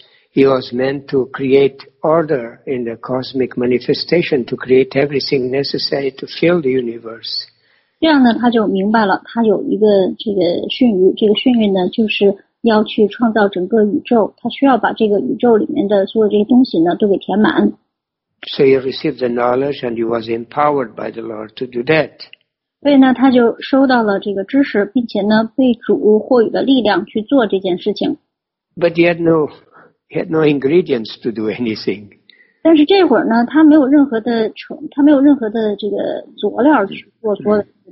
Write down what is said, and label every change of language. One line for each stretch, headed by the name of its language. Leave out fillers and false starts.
English: He was meant to create order in the cosmic manifestation, to create everything necessary to fill the universe.
Chinese: 这样呢，他就明白了，他有一个这个训谕，这个训谕呢就是。要去创造整个宇宙，他需要把这个宇宙里面的所有这些东西呢都给填满。
English: So he received the knowledge and he was empowered by the Lord to do that.
Chinese: 所以呢，他就收到了这个知识，并且呢被主获予了力量去做这件事情。
English: But he had no ingredients to do anything.
Chinese: 但是这会儿呢，他没有任何的这个佐料去做所有的。